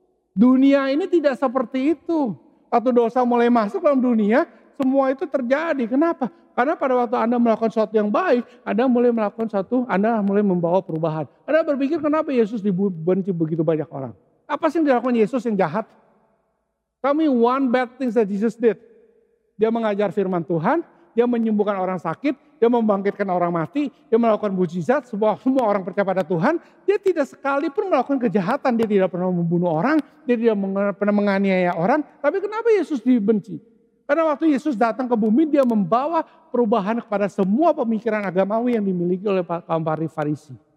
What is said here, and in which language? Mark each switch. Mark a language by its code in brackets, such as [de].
[id] Dunia ini tidak seperti itu. Waktu dosa mulai masuk dalam dunia, semua itu terjadi. Kenapa? Karena pada waktu Anda melakukan sesuatu yang baik, Anda mulai membawa perubahan. Anda berpikir kenapa Yesus dibenci begitu banyak orang? Apa sih yang dilakukan Yesus yang jahat? [en] Tell me one bad thing that Jesus did. [id] Dia mengajar firman Tuhan, dia menyembuhkan orang sakit, dia membangkitkan orang mati, dia melakukan mujizat, semua orang percaya pada Tuhan, dia tidak sekalipun melakukan kejahatan, dia tidak pernah membunuh orang, dia tidak pernah menganiaya orang, tapi kenapa Yesus dibenci? Karena waktu Yesus datang ke bumi, dia membawa perubahan kepada semua pemikiran agamawi yang dimiliki oleh kaum Farisi.